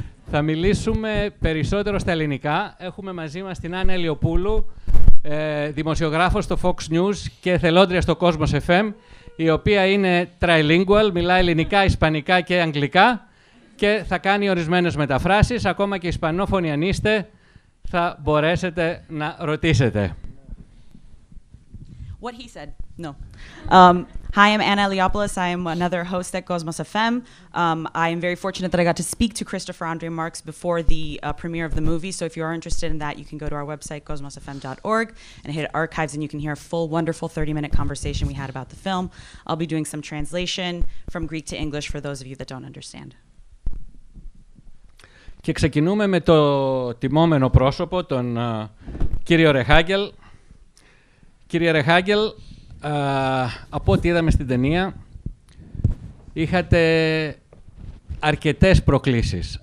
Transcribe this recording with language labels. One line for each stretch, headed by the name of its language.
Greek: Θα μιλήσουμε περισσότερο στα ελληνικά. Έχουμε μαζί μας την Άννα Ελιοπούλου, δημοσιογράφος στο Fox News και θελόντρια στο Cosmos FM, η οποία είναι trilingual, μιλά ελληνικά, ισπανικά και αγγλικά και θα κάνει ορισμένες μεταφράσεις. Ακόμα και ισπανόφωνοι αν είστε, θα μπορέσετε να ρωτήσετε.
English: What he said. No. Hi, I'm Anna Eliopoulos. I'm another host at Cosmos FM. I am very fortunate that I got to speak to Christopher Andre Marx before the premiere of the movie. So if you are interested in that, you can go to our website, cosmosfm.org, and hit archives, and you can hear a full, wonderful 30-minute conversation we had about the film. I'll be doing some translation from Greek to English for those of you that don't understand.
Greek: Και ξεκινούμε με το τιμόμενο πρόσωπο, τον κύριο Rehhagel. Κύριε Rehhagel, από ό,τι είδαμε στην ταινία, είχατε αρκετές προκλήσεις.